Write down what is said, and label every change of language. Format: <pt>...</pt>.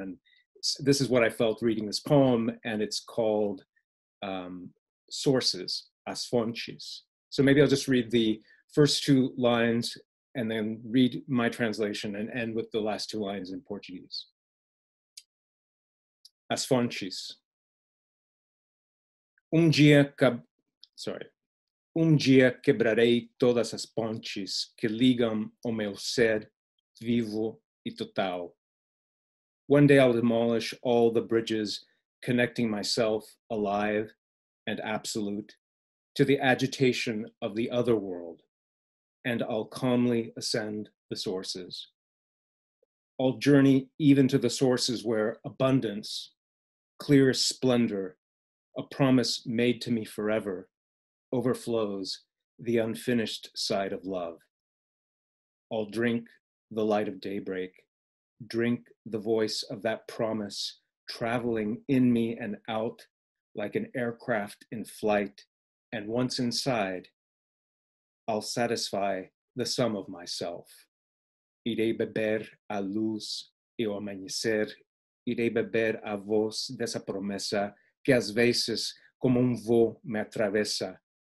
<en>And this is what I felt reading this poem, and it's called Sources, As Fontes. So maybe I'll just read the first two lines and then read my translation and end with the last two lines in Portuguese.</en> <pt>As fontes. Um dia quebrarei todas as pontes que ligam o meu ser vivo e total.</pt> <en>One day I'll demolish all the bridges connecting myself alive and absolute to the agitation of the other world, and I'll calmly ascend the sources. I'll journey even to the sources where abundance, clear splendor, a promise made to me forever, overflows the unfinished side of love. I'll drink the light of daybreak, drink the voice of that promise traveling in me and out like an aircraft in flight, and once inside, I'll satisfy the sum of myself.</en> <pt>Irei beber a luz e o amanhecer. Irei beber a voz dessa promessa que às vezes como voo me atravessa.</pt>